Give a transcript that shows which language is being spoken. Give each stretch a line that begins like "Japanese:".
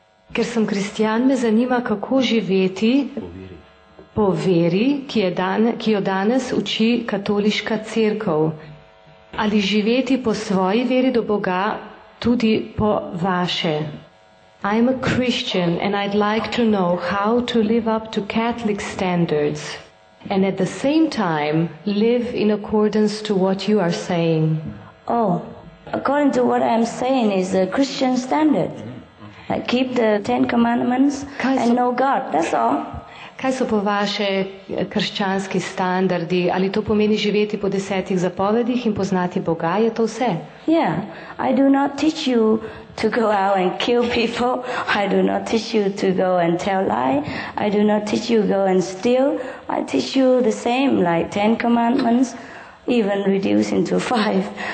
Slovenian: Ker sem kristjan, me zanima, kako živeti po veri, ki jo danes uči katoliška cerkev. Ali živeti po svoji veri do Boga, tudi po vaše.
English: I'm a Christian and I'd like to know how to live up to Catholic standards and at the same time live in accordance to what you are saying. Oh, according to what I'm saying is a Christian standard. I keep the Ten Commandments and know God, that's all.
Slovenian: Kaj so po vaše krščanski standardi? Ali to pomeni živeti po desetih zapovedih in poznati Boga? Je to vse?
English: Yeah, I do not teach you to go out and kill people. I do not teach you to go and tell lie. I do not teach you to go and steal. I teach you the same, like Ten Commandments, even reducing to five.